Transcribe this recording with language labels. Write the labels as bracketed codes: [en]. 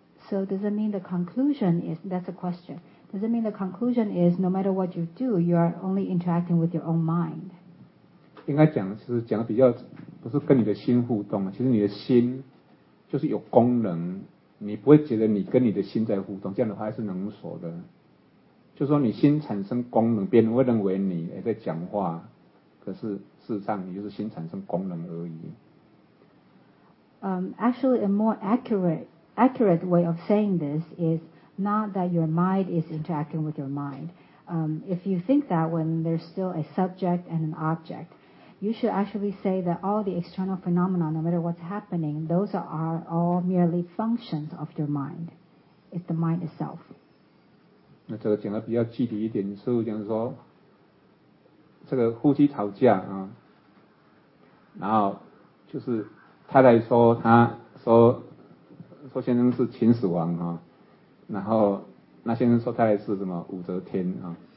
[en] So does it mean the conclusion is, that's a question. Does it mean the conclusion is no matter what you do, you are only interacting with your own mind? [zh] 应该讲是讲比较不是跟你的心互动，其实你的心就是有功能，你不会觉得你跟你的心在互动，这样的话还是能锁的。就说你心产生功能，别人会认为你在讲话，可是事实上你就是心产生功能而已。 [en] Actually, a more accurate way of saying this is. Not that your mind is interacting with your mind. If you think that when there's still a subject and an object, you should actually say that all the external phenomena, no matter what's happening, those are all merely functions of your mind. It's the mind itself. [zh] 那这个讲的比较具体一点，师父讲说，这个夫妻吵架啊，然后就是太太说，他说说先生是秦始皇啊。然后那先生说太太是什么武则天啊？